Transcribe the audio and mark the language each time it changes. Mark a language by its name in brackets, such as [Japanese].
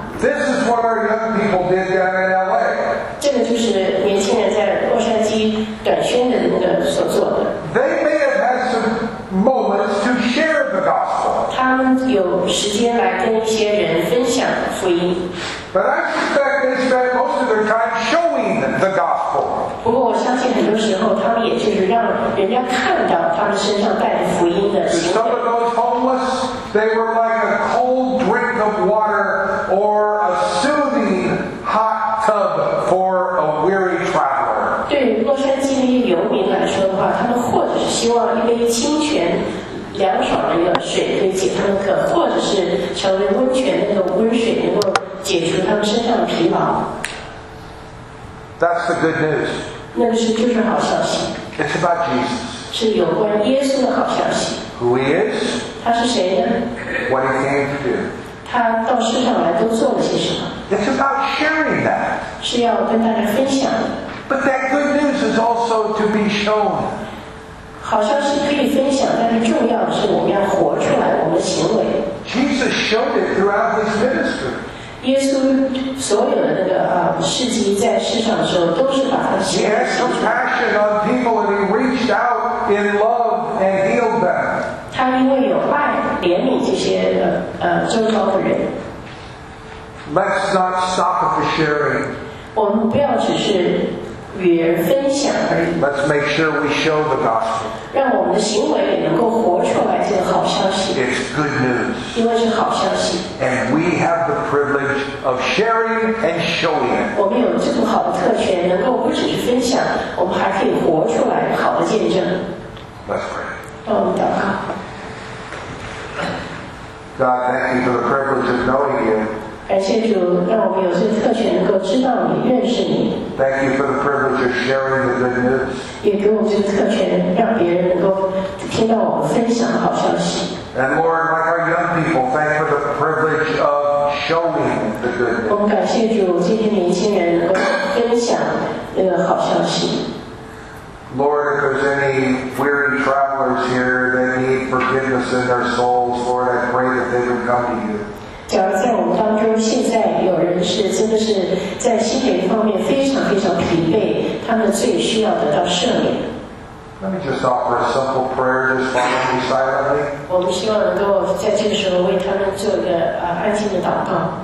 [English] This is what our young people did down in LA. [Chinese] 这个就是年轻人在洛杉矶短宣的那个所做的。 [English] They may have had some moments to share the gospel. [Chinese] 他们有时间来跟一些人分享福音。 [English] But I suspect they spent most of their time showing the gospel. [Chinese] 不过我相信很多时候他们也就是让人家看到他们身上带着福音的。 [English] Some of those homeless, they were like a cold drink of water. Or a soothing hot tub for a weary traveler. [Chinese] 对洛杉矶的游民来说的话，他们或者是希望一杯清泉、凉爽的一个水可以解他们渴，或者是成为温泉那个温水能够解除他们身上的疲劳。 [English] That's the good news. [Chinese] 那个是就是好消息。 [English] It's about Jesus. [Chinese] 是有关耶稣的好消息。 [English] Who he is? [Chinese] 他是谁呢？ [English] What he came to do. [Chinese] 他到世上来都做了些什么？ [English] It's about sharing that. [Chinese] 是要跟大家分享的。 [English] But that good news is also to be shown. [Chinese] 好像是可以分享，但是重要的是我们要活出来我们的行为。 [English] Jesus showed it throughout his ministry. [Chinese] 耶稣所有的那个事迹在世上的时候，都是把他的行为。 [English] He had compassion on people and he reached out in love and healed them. [Chinese] 他因为有爱怜悯这些周遭的人。 [English] Let's not stop at the sharing. [Chinese] 我们不要只是与人分享而已。 [English] Let's make sure we show the gospel. [Chinese] 让我们的行为也能够活出来这个好消息。 [English] It's good news. [Chinese] 因为是好消息。 [English] And we have the privilege of sharing and showing it. [Chinese] 我们有这么好的特权，能够不只是分享，我们还可以活出来好的见证。 [English] Let's pray. Oh, God. God, thank you for the privilege of knowing you. [Chinese] 感谢主，让我们有这个特权，能够知道你，认识你。 [English] Thank you for the privilege of sharing the good news. [Chinese] 也给我这个特权，让别人能够听到我们分享的好消息。 [English] And Lord, like our young people, thank you for the privilege of showing the good news. [Chinese] 我们感谢主，今天年轻人能够分享那个好消息。 [English] Lord, if there's any weary travelers here that need forgiveness in their souls, Lord, I pray that they would come to you. [Chinese] 假如在我们当中现在有人是真的是在心灵方面非常非常疲惫，他们最需要得到赦免。 [English] Let me just offer a simple prayer, just follow me silently. [Chinese] 我们希望能够在这个时候为他们做一个安静的祷告。